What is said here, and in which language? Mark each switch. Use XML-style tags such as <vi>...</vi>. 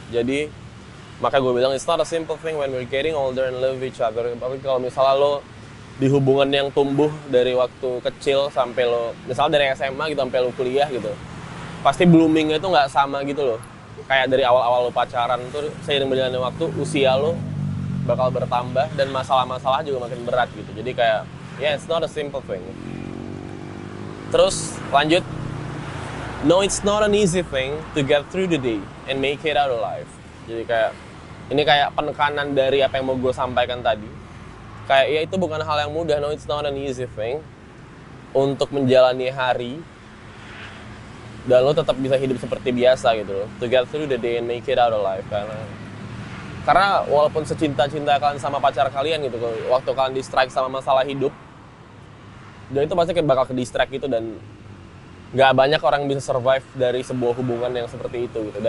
<id>Jadi makanya gue bilang</id> <en>it's not a simple thing when we're getting older and love each other.</en> <id>Tapi kalau misalnya lo di hubungan yang tumbuh dari waktu kecil sampai lo misalnya dari SMA gitu sampai lo kuliah gitu. Pasti bloomingnya tuh enggak sama gitu lo. Kayak dari awal-awal lo pacaran tuh seiring berjalannya waktu usia lo bakal bertambah dan masalah-masalah juga makin berat gitu. Jadi kayak</id> <en>yeah, it's not a simple thing.</en> <id>Terus lanjut.</id> <en>No, it's not an easy thing to get through the day and make it out alive.</en> <id>Jadi kayak ini kayak penekanan dari apa yang mau gue sampaikan tadi. Kayak ya itu bukan hal yang mudah.</id> <en>No, it's not an easy thing</en> <id>untuk menjalani hari dan lo tetap bisa hidup seperti biasa gitu loh.</id> <en>To get through the day and make it out alive.</en> <id>Karena walaupun secinta-cinta kalian sama pacar kalian gitu, waktu kalian distract sama masalah hidup, dan itu pasti bakal ke-distract gitu dan gak banyak orang yang bisa survive dari sebuah hubungan yang seperti itu gitu.</id>